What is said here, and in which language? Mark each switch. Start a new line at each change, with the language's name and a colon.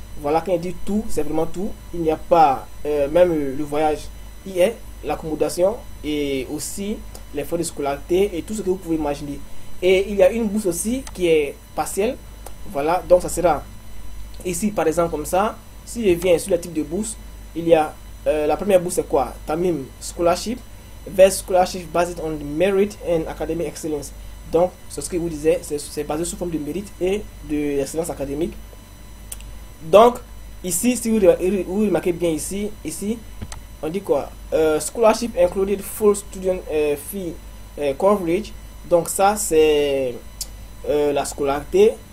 French: Voilà, quand il dit tout, c'est vraiment tout. Il n'y a pas, même le voyage, il y est, l'accommodation et aussi les frais de scolarité et tout ce que vous pouvez imaginer. Et il y a une bourse aussi qui est partielle. Voilà, donc ça sera Ici, par exemple, comme ça, si je viens sur le type de bourse, il y a la première bourse, c'est quoi?
English: Tamim Scholarship, vers Scholarship Based on Merit and Academic Excellence.
French: Donc, c'est ce que vous disiez, c'est basé sous forme de mérite et d'excellence académique. Donc, ici, si vous remarquez bien ici, on dit quoi?
English: Scholarship included full student fee coverage.
French: Donc, ça, c'est la scolarité.